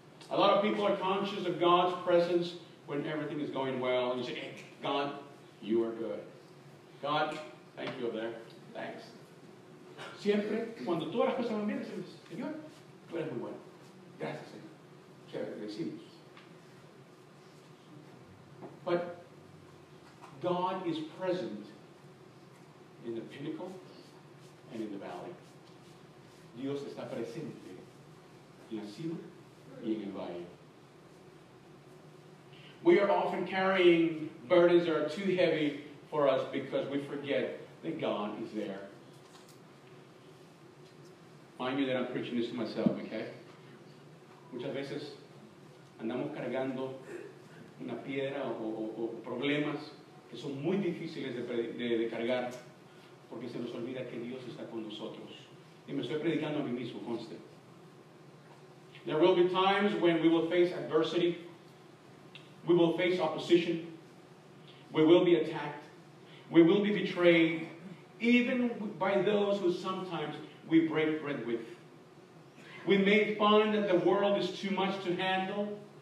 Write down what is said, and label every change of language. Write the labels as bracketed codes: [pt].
[en] A lot of people are conscious of God's presence when everything is going well. And you say, hey, God, you are good. God, thank you over there. Thanks. [es] Siempre, cuando todas las cosas van bien, decimos, Señor, tú eres muy bueno. Gracias, Señor. Chévere, decimos. [en] But God is present in the pinnacle and in the valley. [es] Dios está presente en la cima y en el valle. [en] We are often carrying burdens that are too heavy for us because we forget that God is there. Mind you that I'm preaching this to myself, okay? [es] Muchas veces andamos cargando una piedra o problemas que son muy difíciles de cargar porque se nos olvida que Dios está con nosotros. Y me estoy predicando a mí mismo, conste. [en] There will be times when we will face adversity. We will face opposition. We will be attacked. We will be betrayed, even by those who sometimes we break bread with. We may find that the world is too much to handle.